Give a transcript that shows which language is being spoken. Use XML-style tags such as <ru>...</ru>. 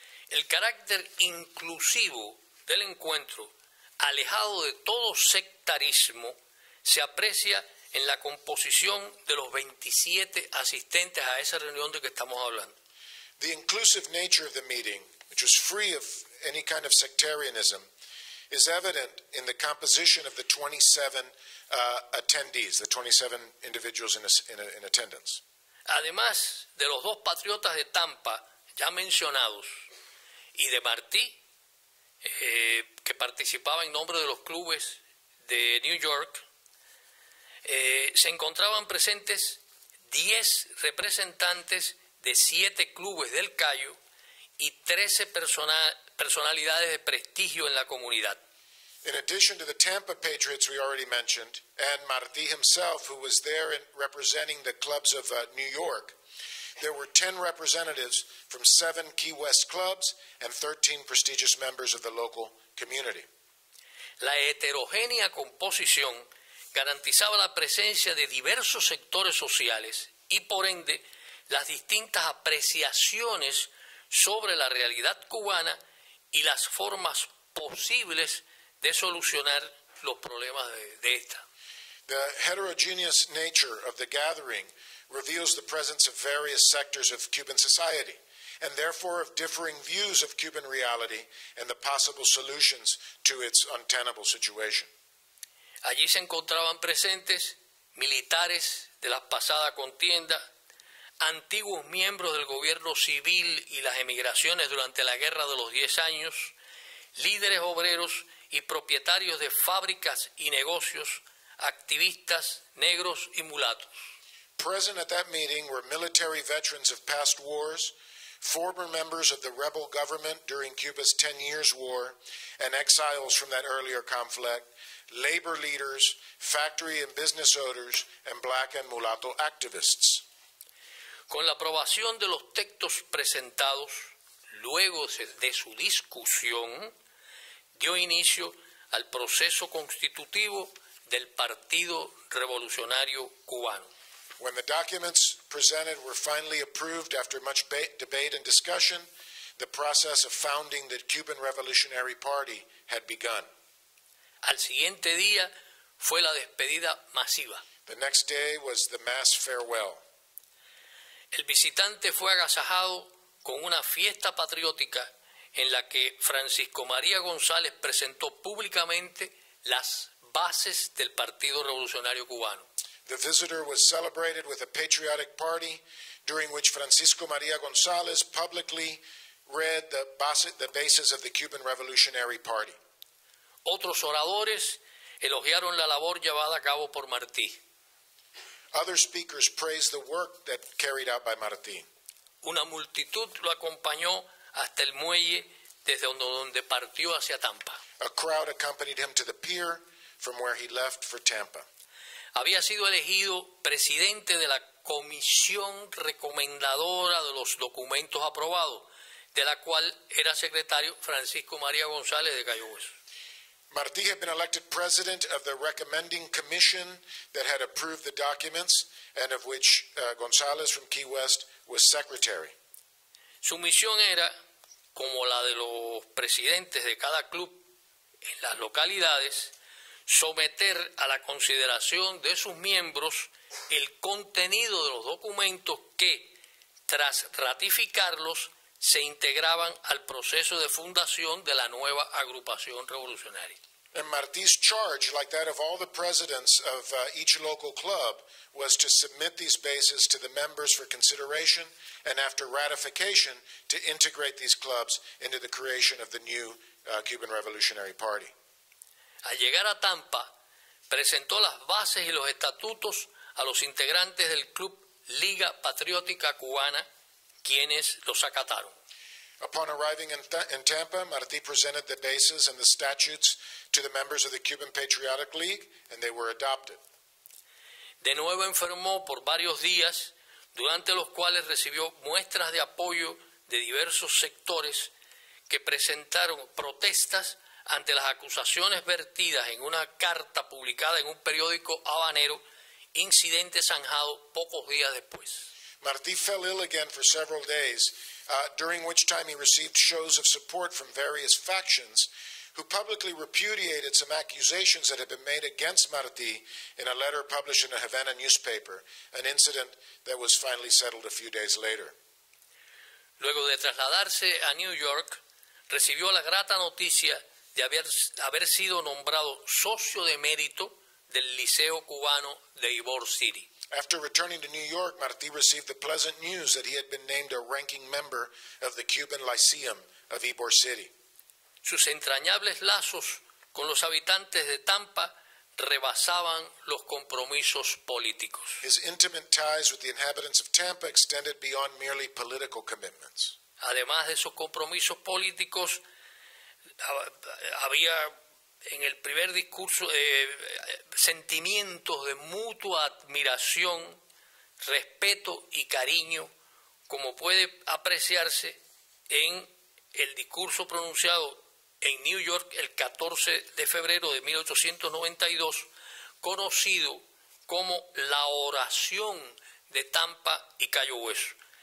<es>El carácter inclusivo del encuentro, alejado de todo sectarismo, se aprecia en la composición de los 27 asistentes a esa reunión de que estamos hablando.</es> <en>The inclusive nature of the meeting, which was free of any kind of sectarianism, is evident in the composition of the 27 attendees, the 27 individuals in attendance.</en> <es>Además de los dos patriotas de Tampa ya mencionados y de Martí, que participaba en nombre de los clubes de New York, se encontraban presentes 10 representantes de 7 clubes del Cayo y 13 personalidades de prestigio en la comunidad.</es> <en>In addition to the Tampa Patriots we already mentioned, and Martí himself, who was there in representing the clubs of New York, there were 10 representatives from 7 Key West clubs and 13 prestigious members of the local community.</en> <es>La heterogénea composición garantizaba la presencia de diversos sectores sociales y, por ende, las distintas apreciaciones sobre la realidad cubana y las formas posibles de solucionar los problemas de esta.</es> <en>The heterogeneous nature of the gathering reveals the presence of various sectors of Cuban society, and therefore of differing views of Cuban reality and the possible solutions to its untenable situation.</en> <es>Allí se encontraban presentes militares de la pasada contienda, antiguos miembros del gobierno civil y las emigraciones durante la Guerra de los 10 años, líderes obreros y propietarios de fábricas y negocios, activistas, negros y mulatos.</es> <en>Present at that meeting were military veterans of past wars, former members of the rebel government during Cuba's 10 years war, and exiles from that earlier conflict, labor leaders, factory and business owners, and black and mulatto activists.</en> <es>Con la aprobación de los textos presentados, luego de su discusión, dio inicio al proceso constitutivo del Partido Revolucionario Cubano.</es> <en>When the documents presented were finally approved after much debate and discussion, the process of founding the Cuban Revolutionary Party had begun.</en> <es>Al siguiente día fue la despedida masiva.</es> <en>The next day was the mass farewell.</en> <es>El visitante fue agasajado con una fiesta patriótica en la que Francisco María González presentó públicamente las bases del Partido Revolucionario Cubano.</es> <en>The visitor was celebrated with a patriotic party during which Francisco María González publicly read the bases of the Cuban Revolutionary Party.</en> <es>Otros oradores elogiaron la labor llevada a cabo por Martí.</es> <en>Other speakers praised the work that carried out by Martí.</en> <es>Una multitud lo acompañó hasta el muelle desde donde partió hacia Tampa.</es> <en>A crowd accompanied him to the pier from where he left for Tampa.</en> <es>Había sido elegido presidente de la comisión recomendadora de los documentos aprobados, de la cual era secretario Francisco María González de Cayo Hueso.</es> <en>Martí had been elected president of the recommending commission that had approved the documents and of which González from Key West was secretary.</en> <es>Su misión era, como la de los presidentes de cada club en las localidades, someter a la consideración de sus miembros el contenido de los documentos que, tras ratificarlos, se integraban al proceso de fundación de la nueva agrupación revolucionaria.</es> <en>And Martí's charge, like that of all the presidents of each local club, was to submit these bases to the members for consideration and after ratification to integrate these clubs into the creation of the new Cuban Revolutionary Party.</en> <es>Al llegar a Tampa, presentó las bases y los estatutos a los integrantes del club Liga Patriótica Cubana, quienes los acataron.</es> <en>Upon arriving in Tampa, Martí presented the bases and the statutes to the members of the Cuban Patriotic League, and they were adopted.</en> <es>De nuevo enfermó por varios días, durante los cuales recibió muestras de apoyo de diversos sectores que presentaron protestas ante las acusaciones vertidas en una carta publicada en un periódico habanero, incidente zanjado pocos días después.</es> <en>Martí fell ill again for several days, during which time he received shows of support from various factions who publicly repudiated some accusations that had been made against Martí in a letter published in a Havana newspaper, an incident that was finally settled a few days later.</en> <es>Luego de trasladarse a New York, recibió la grata noticia de haber sido nombrado socio de mérito del Liceo Cubano de Ybor City.</es> <en>After returning to New York, Martí received the pleasant news that he had been named a ranking member of the Cuban Lyceum of Ybor City.</en> <es>Sus entrañables lazos con los habitantes de Tampa rebasaban los compromisos políticos.</es> <en>His intimate ties with the inhabitants of Tampa extended beyond merely political commitments.</en> <es>Además de sus compromisos políticos, había en el primer discurso sentimientos de mutua admiración, respeto y cariño, como puede apreciarse en el discurso pronunciado en New York el 14 de febrero de 1892, conocido como la Oración de Tampa y Cayo Hueso,</es>